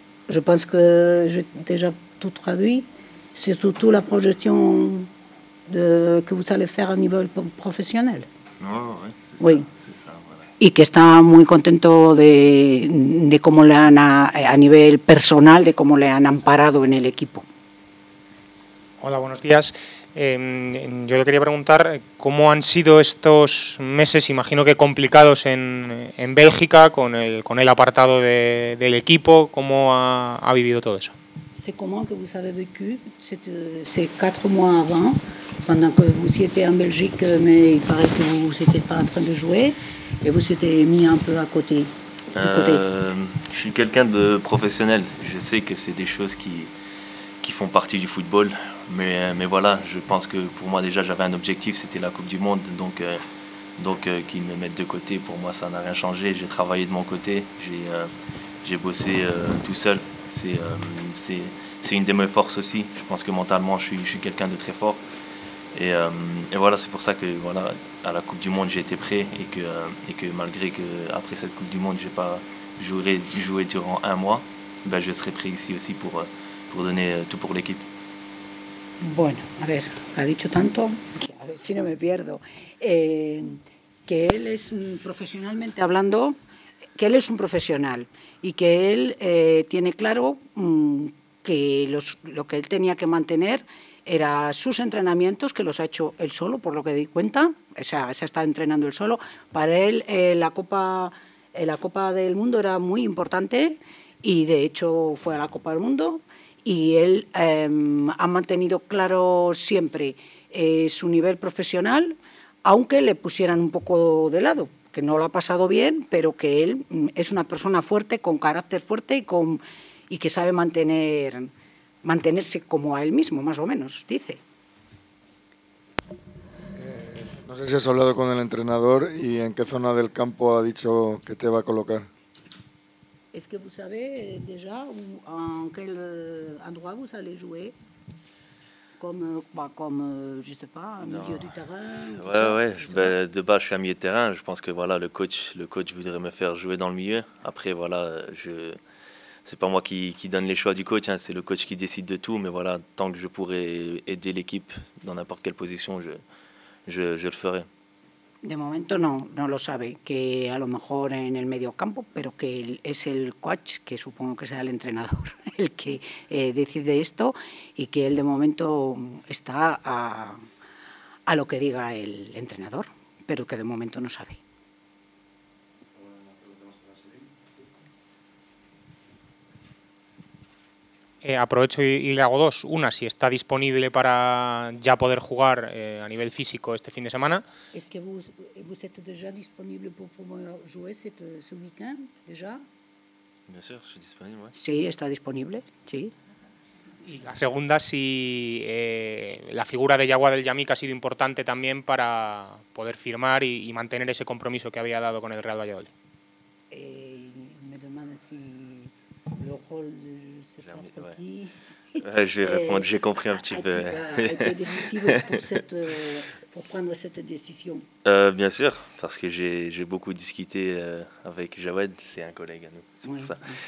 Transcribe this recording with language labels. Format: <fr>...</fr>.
<fr>Je pense que j'ai déjà tout traduit. C'est surtout la projection que vous allez faire à niveau professionnel. Oh, oui, c'est ça, voilà.</fr> <es>Y que está muy contento de cómo le han a nivel personal, de cómo le han amparado en el equipo. Hola, buenos días. Yo le quería preguntar cómo han sido estos meses, imagino que complicados en Bélgica, con el apartado del equipo, cómo ha vivido todo eso. Sí.</es> <fr>c'est comment que vous avez vécu ces quatre mois avant, pendant que vous y étiez en Belgique, mais il paraît que vous n'étiez pas en train de jouer, et vous étiez mis un peu à côté. Je suis quelqu'un de professionnel. Je sais que c'est des choses qui font partie du football. Mais voilà, je pense que pour moi déjà, j'avais un objectif, c'était la Coupe du Monde. Donc, qu'ils me mettent de côté, pour moi, ça n'a rien changé. J'ai travaillé de mon côté, j'ai bossé tout seul. C'est une de mes forces aussi. Je pense que mentalement, je suis quelqu'un de très fort. Et voilà, c'est pour ça que voilà, à la Coupe du Monde, j'ai été prêt. Et que malgré que après cette Coupe du Monde, je n'ai pas joué durant un mois, ben, je serai prêt ici aussi pour donner tout pour l'équipe.</fr> <es>Bueno, a ver, ha dicho tanto, que a ver si no me pierdo, que él es profesionalmente hablando, que él es un profesional y que él tiene claro que lo que él tenía que mantener era sus entrenamientos, que los ha hecho él solo, por lo que di cuenta, o sea, se ha estado entrenando él solo. Para él la Copa del Mundo era muy importante y de hecho fue a la Copa del Mundo. Y él ha mantenido claro siempre su nivel profesional, aunque le pusieran un poco de lado, que no lo ha pasado bien, pero que él es una persona fuerte, con carácter fuerte y que sabe mantenerse como a él mismo, más o menos, dice. No sé si has hablado con el entrenador y en qué zona del campo ha dicho que te va a colocar.</es> <fr>Est-ce que vous savez déjà en quel endroit vous allez jouer, comme je sais pas, milieu non. du terrain. De base je suis un milieu de terrain. Je pense que voilà le coach voudrait me faire jouer dans le milieu. Après voilà c'est pas moi qui donne les choix du coach. Hein, c'est le coach qui décide de tout. Mais voilà tant que je pourrai aider l'équipe dans n'importe quelle position, je le ferai.</fr> <es>De momento no lo sabe, que a lo mejor en el medio campo, pero que es el coach, que supongo que sea el entrenador, el que decide esto y que él de momento está a lo que diga el entrenador, pero que de momento no sabe. Aprovecho y le hago dos. Una, si está disponible para ya poder jugar a nivel físico este fin de semana. ¿Es que</es> <fr>vous êtes</fr> <es>ya disponible para poder jugar este weekend? ¿Ya?</es> <fr>Bien sûr,</fr> <es>estoy disponible. Sí, está disponible, sí. Y la segunda, si la figura de Yagua del Yamik ha sido importante también para poder firmar y mantener ese compromiso que había dado con el Real Valladolid. Me demanda</es> <fr>si le rol de. Ouais, je vais répondre, j'ai compris un petit peu. A été décisive pour prendre cette décision. Bien sûr, parce que j'ai beaucoup discuté avec Jawed, c'est un collègue à nous, c'est pour ça. Oui.</fr>